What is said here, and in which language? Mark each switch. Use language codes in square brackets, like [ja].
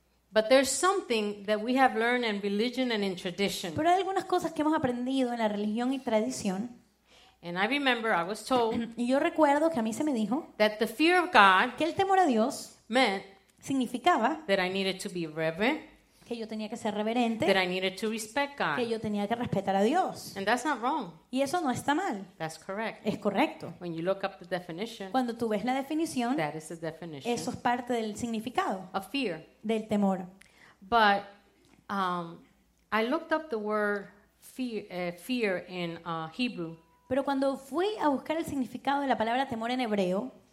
[en] But there's something that we have learned in religion and in tradition. [es] Pero hay algunas cosas que hemos aprendido en la religión y tradición. [en] And I remember I was told [es] y yo recuerdo que a mí se me dijo [en] that the fear of God [es] que el temor a Dios [en] meant [es] significaba [en] that I needed to be reverent, [es] que yo tenía que ser reverente, [en] that I needed to respect God, [es] que yo tenía que respetar a Dios. [en] And that's not wrong. [es] Y eso no está mal. [en] That's correct. [es] Es correcto. [en] When you look up the definition, [es] cuando tú ves la definición, [en] that is the definition. [es] Eso es parte del significado [en] of fear. [es] Del temor. [en] But I looked up the word fear in Hebrew. [es] Pero cuando fui a buscar el significado de la palabra temor en hebreo,